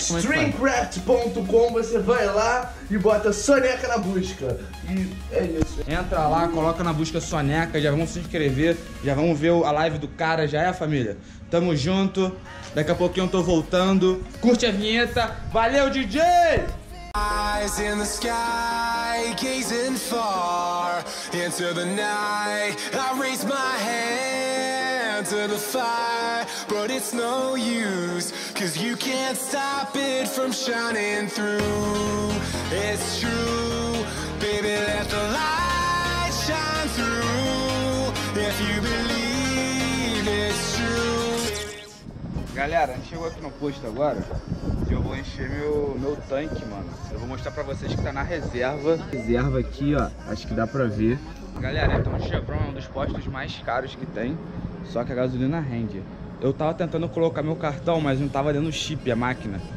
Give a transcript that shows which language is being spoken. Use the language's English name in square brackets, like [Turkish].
[Portuguese] Streamcraft.com, você vai lá e bota Soniaca na busca. E é isso. Entra lá, coloca na busca Soniaca, já vamos se inscrever, já vamos ver a live do cara, já é a família. Tamo junto, daqui a pouquinho eu tô voltando. Curte a vinheta, valeu DJ! [English] Eyes in the sky, gazing far into the night, I raise my hand to the fire, but it's no use, cause you can't stop it from shining through. It's true, baby, let the light shine through, if you believe it's true. [Portuguese] Galera, a gente chegou aqui no posto agora. E eu vou encher meu tanque, mano. Eu vou mostrar pra vocês que tá na reserva. Reserva aqui, ó. Acho que dá pra ver. Galera, então o Chevron é um dos postos mais caros que tem. Só que a gasolina rende. Eu tava tentando colocar meu cartão, mas não tava dando chip, a máquina.